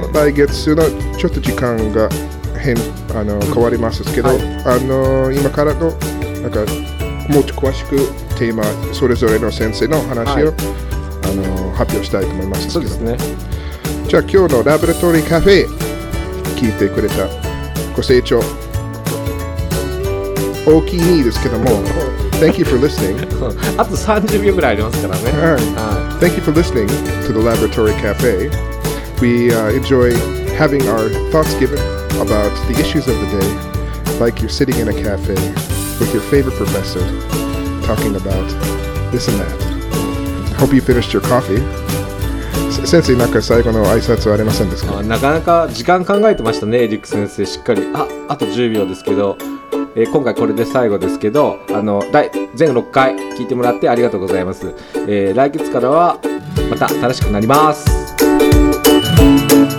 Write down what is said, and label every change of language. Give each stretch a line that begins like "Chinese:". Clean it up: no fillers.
Japanese: 来月のちょっと時間が変わりますけど、うん、はい、今からのなんかもっと詳しくテーマそれぞれの先生の話を、はい、発表したいと思いますけど、そうですね、じゃあ今日のラブレトリーカフェ聞いてくれたご清聴大きいですけども
English: Thank you for listening
Japanese: あと30秒ぐらいありますからね、
English: はい、Thank you for listening to the Laboratory Cafe. We enjoy having our thoughts given about the issues of the day, like you're sitting in a cafe with your favorite professor talking about this and that. Hope you finished your coffee.
Japanese: 先生なんか最後の挨拶はありませんですか。なかなか時間考えてましたね、エリック先生しっかり。あと10秒ですけど、今回これで最後ですけど、全6回聞いてもらってありがとうございます、来月からはまた新しくなります。